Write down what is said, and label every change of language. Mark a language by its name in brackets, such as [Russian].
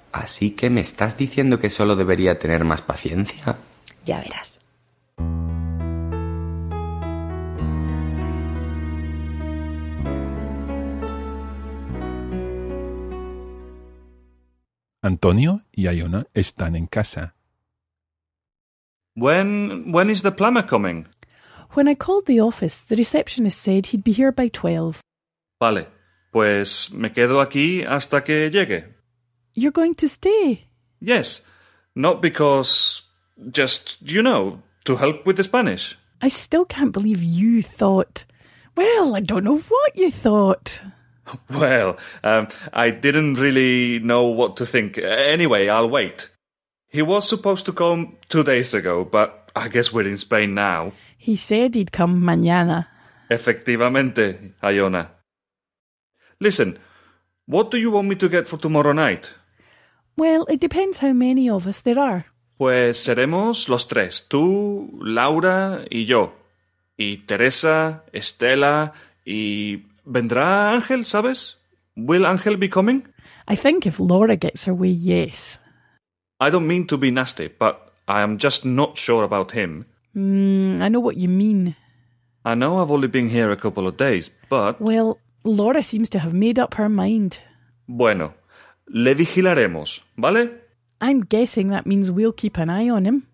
[Spanish] ¿Así que me estás diciendo que solo debería tener más paciencia? Ya verás. Antonio y Iona están en casa. [English] When is the plumber coming? When I called the office, the receptionist said he'd be here by 12. [Spanish] Vale, pues me quedo aquí hasta que llegue. [English] You're going to stay? Yes. Not because... just, you know, to help with the Spanish. I still can't believe you thought... well, I don't know what you thought. Well, I didn't really know what to think. Anyway, I'll wait. He was supposed to come 2 days ago, but I guess we're in Spain now. He said he'd come mañana. [Spanish] Efectivamente, Ayona. [English] Listen, what do you want me to get for tomorrow night? Well, it depends how many of us there are. [Spanish] Pues seremos los tres, tú, Laura y yo. Y Teresa, Estela y... ¿vendrá Ángel, sabes? [English] Will Ángel be coming? I think if Laura gets her way, yes. I don't mean to be nasty, but I am just not sure about him. I know what you mean. I know I've only been here a couple of days, but... well, Laura seems to have made up her mind. [Spanish] Bueno, le vigilaremos, ¿vale? [English] I'm guessing that means we'll keep an eye on him.